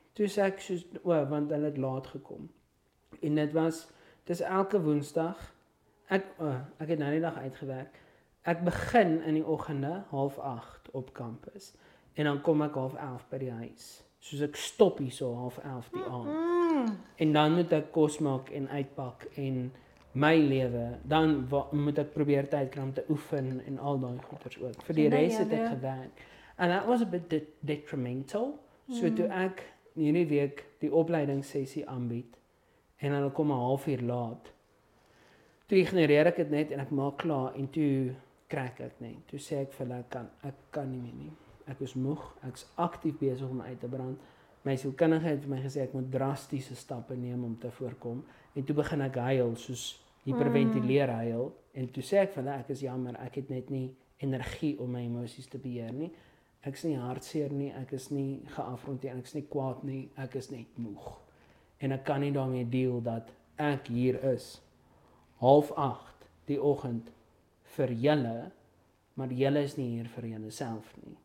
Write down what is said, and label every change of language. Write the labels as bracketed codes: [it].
[af] Toe sê ek soos, want hulle het laat gekom. En dit was, dis elke woensdag, ek het nou die dag uitgewerk, ek begin in die oggende 7:30 op campus, en dan kom ek 10:30 by die huis. Soos ek stop hier so 10:30 die aand. En dan moet ek kos maak en uitpak, en my lewe, dan moet ek probeer tyd kry om te oefen, en al die goeders ook. Vir die rest het ek gewerk. [en] And that was a bit detrimental. [af] So toe ek hierdie week die opleidingssessie aanbied, en hulle kom 'n 30 minute laat, toe ignoreer ek het net, en ek maak klaar, en toe krak ek nie. Toe sê ek vir hulle, ek kan nie meer nie. Ek is moeg, ek is actief bezig om uit te brand. My sielkundige het vir my gesê, ek moet drastiese stappe neem om te voorkom. En toe begin ek huil, soos hyperventileer huil. En toe sê ek vir hulle, ek is jammer, ek het net nie energie om my emoties te beheer nie. Ek is nie hartseer nie, ek is nie geafrond nie, ek is nie kwaad nie, ek is net moeg. En ek kan nie daarmee deel dat ek hier is. 7:30 die oggend vir julle, maar julle is nie hier vir julle self nie.